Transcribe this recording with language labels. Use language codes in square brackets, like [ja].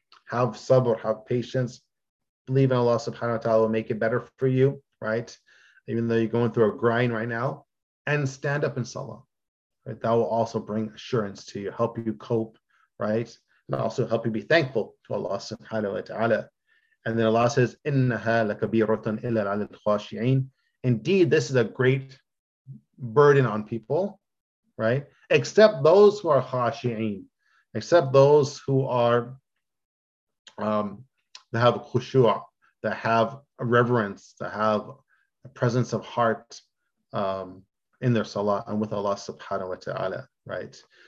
[en] Have sabr, have patience. Believe in Allah subhanahu wa ta'ala will make it better for you, right? Even though you're going through a grind right now. And stand up in salah, right? That will also bring assurance to you, help you cope, right? And also help you be thankful to Allah subhanahu wa ta'ala. And then Allah says, [ar] إِنَّهَا لَكَبِيرَةٌ إِلَّا عَلَى الْخَاشِعِينَ. [en] Indeed, this is a great burden on people, right? Except those who are khashi'in, except those who are, that have khushu'a, that have a reverence, that have a presence of heart in their salah and with Allah subhanahu wa ta'ala, right?